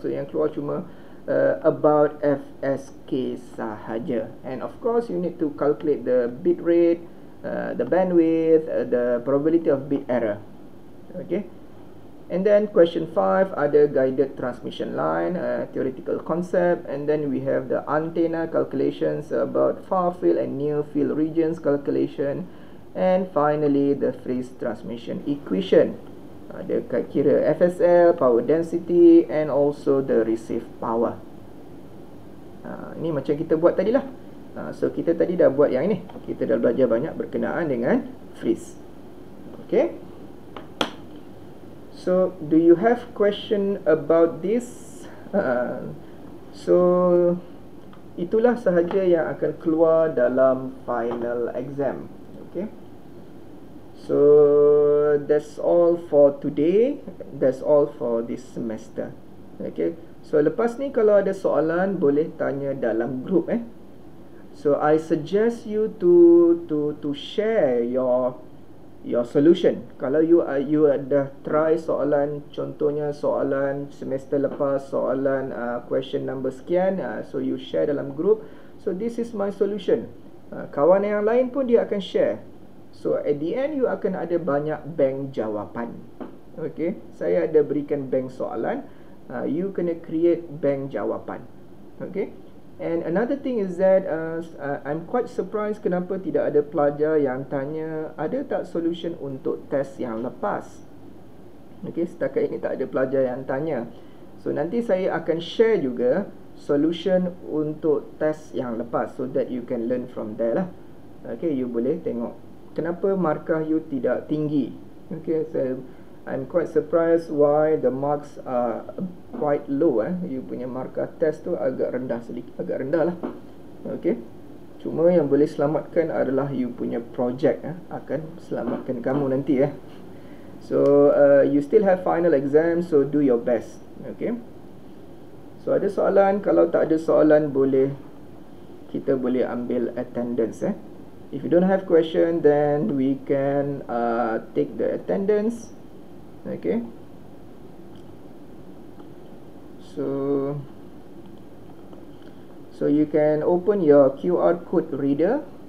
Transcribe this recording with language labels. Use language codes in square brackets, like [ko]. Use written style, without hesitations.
[ms] So yang keluar cuma about FSK sahaja. [en] And of course you need to calculate the bit rate, the bandwidth, the probability of bit error. Okay. And then question 5, ada guided transmission line, theoretical concept. And then we have the antenna calculations about far field and near field regions calculation. And finally the Friss transmission equation. [ms] Ada kira [en] FSL, power density and also the receive power. [ms] Ini macam kita buat tadilah. So kita tadi dah buat yang ini. Kita dah belajar banyak berkenaan dengan Friss. Okay. [en] So, do you have question about this? [ms] So, itulah sahaja yang akan keluar dalam final exam. Okay. [en] So, that's all for today. That's all for this semester. Okay. [ms] So, lepas ni kalau ada soalan, boleh tanya dalam group eh. [en] So, I suggest you to share your solution. [ms] Kalau you dah try soalan, contohnya soalan semester lepas, soalan question number sekian, so you share dalam group. [en] So this is my solution. [ms] Kawan yang lain pun dia akan share. [en] So at the end you [ms] akan ada banyak bank jawapan. Okay, saya ada berikan bank soalan, you kena create bank jawapan. Okay. [en] And another thing is that I'm quite surprised [ms] kenapa tidak ada pelajar yang tanya ada tak solution untuk test yang lepas. Okay, setakat ini tak ada pelajar yang tanya. So nanti saya akan share juga solution untuk test yang lepas [en] so that you can learn from there [ms] lah. Okay, you boleh tengok kenapa markah you tidak tinggi? [en] Okay, so I'm quite surprised why the marks are quite low. [ms] You punya markah test tu agak rendah sedikit, agak rendah lah. Okay, cuma yang boleh selamatkan adalah you punya project akan selamatkan kamu nanti. [en] So you still have final exam, so do your best. Okay. [ms] So ada soalan, kalau tak ada soalan boleh kita boleh ambil attendance. [en] If you don't have question, then we can take the attendance. Okay. So you can open your QR code reader.